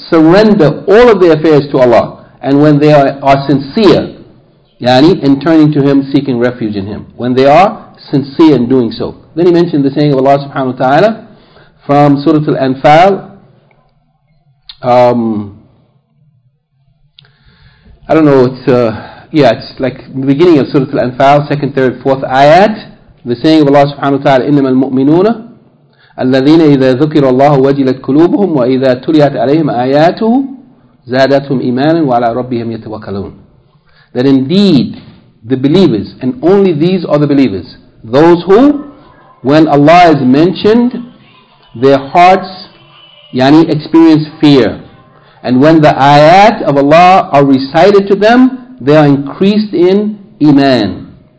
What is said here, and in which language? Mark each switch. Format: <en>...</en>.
<en>surrender all of their affairs to Allah, and when they are sincere, yani, in turning to Him, seeking refuge in Him, when they are sincere in doing so. Then he mentioned the saying of Allah subhanahu wa ta'ala from Surah Al-Anfal. I don't know, it's like the beginning of Surah Al-Anfal, 2nd, 3rd, 4th ayat. The saying of Allah subhanahu wa ta'ala,</en> <ar>إِنَّمَا الْمُؤْمِنُونَ الَّذِينَ إِذَا ذُكِرَ اللَّهُ وَجِلَتْ كُلُوبُهُمْ وَإِذَا تُلِيَتْ عَلَيْهِمْ آيَاتُهُ زَادَتْهُمْ إِيمَانًا وَعَلَىٰ رَبِّهِمْ يَتَوَكَّلُونَ.</ar> <en>That indeed, the believers, and only these are the believers, those who, when Allah is mentioned, their hearts, yani, experience fear. And when the ayat of Allah are recited to them, they are increased in iman.</en>